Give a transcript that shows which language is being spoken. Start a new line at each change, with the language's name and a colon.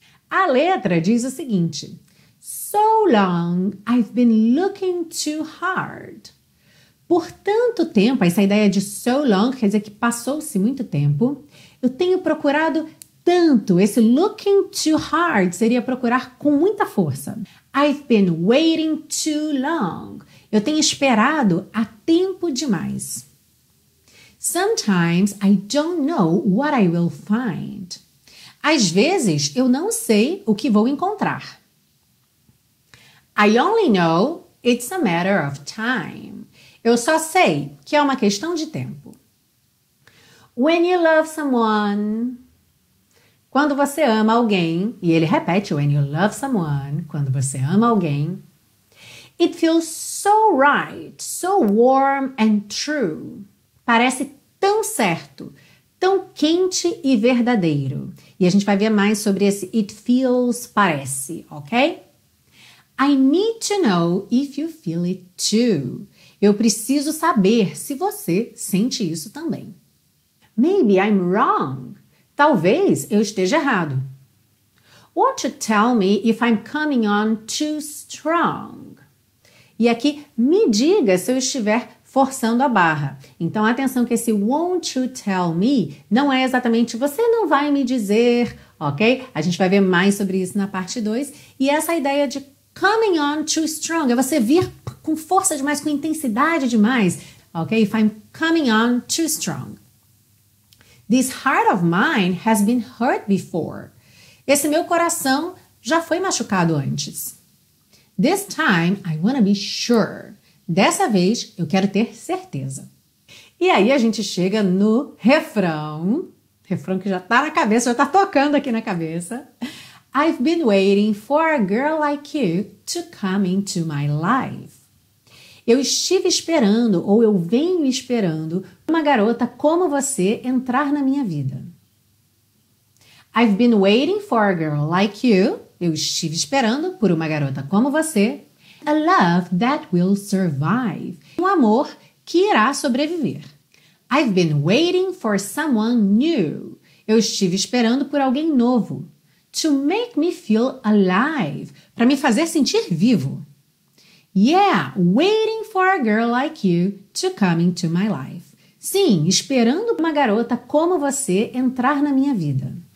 Portuguese: A letra diz o seguinte:
English: So long, I've been looking too hard.
Portuguese: Por tanto tempo, essa ideia de so long quer dizer que passou-se muito tempo, eu tenho procurado tanto, esse
English: looking too hard
Portuguese: seria procurar com muita força.
English: I've been waiting too long.
Portuguese: Eu tenho esperado há tempo demais.
English: Sometimes I don't know what I will find.
Portuguese: Às vezes eu não sei o que vou encontrar.
English: I only know it's a matter of time.
Portuguese: Eu só sei que é uma questão de tempo.
English: When you love someone...
Portuguese: Quando você ama alguém, e ele repete,
English: when you love someone,
Portuguese: quando você ama alguém,
English: it feels so right, so warm and true.
Portuguese: Parece tão certo, tão quente e verdadeiro. E a gente vai ver mais sobre esse
English: it feels,
Portuguese: parece, ok?
English: I need to know if you feel it too.
Portuguese: Eu preciso saber se você sente isso também.
English: Maybe I'm wrong.
Portuguese: Talvez eu esteja errado.
English: Won't you tell me if I'm coming on too strong?
Portuguese: E aqui, me diga se eu estiver forçando a barra. Então, atenção que esse
English: won't you tell me
Portuguese: não é exatamente você não vai me dizer, ok? A gente vai ver mais sobre isso na parte 2. E essa ideia de
English: coming on too strong
Portuguese: é você vir com força demais, com intensidade demais, ok?
English: If I'm coming on too strong. This heart of mine has been hurt before.
Portuguese: Esse meu coração já foi machucado antes.
English: This time, I want to be sure.
Portuguese: Dessa vez, eu quero ter certeza. E aí, a gente chega no refrão. Refrão que já tá na cabeça, já tá tocando aqui na cabeça.
English: I've been waiting for a girl like you to come into my life.
Portuguese: Eu estive esperando, ou eu venho esperando, uma garota como você entrar na minha vida.
English: I've been waiting for a girl like you.
Portuguese: Eu estive esperando por uma garota como você.
English: A love that will survive.
Portuguese: Um amor que irá sobreviver.
English: I've been waiting for someone new.
Portuguese: Eu estive esperando por alguém novo.
English: To make me feel alive.
Portuguese: Para me fazer sentir vivo.
English: Yeah, waiting for a girl like you to come into my life.
Portuguese: Sim, esperando uma garota como você entrar na minha vida.